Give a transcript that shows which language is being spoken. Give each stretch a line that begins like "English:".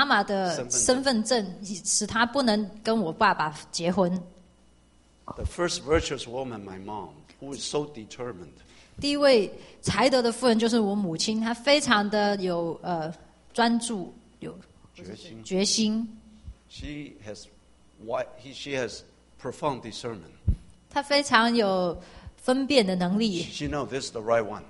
Chinese: 我祖母甚至扣住我妈妈的身份证, 使她不能跟我爸爸结婚。
English: The first virtuous woman, my mom, who is so determined.
Chinese: 第一位才德的妇人就是我母亲, 她非常的有专注, 有决心。
English: She has profound discernment.
Chinese: 她非常有分辨的能力。
English: She knows this is the right one.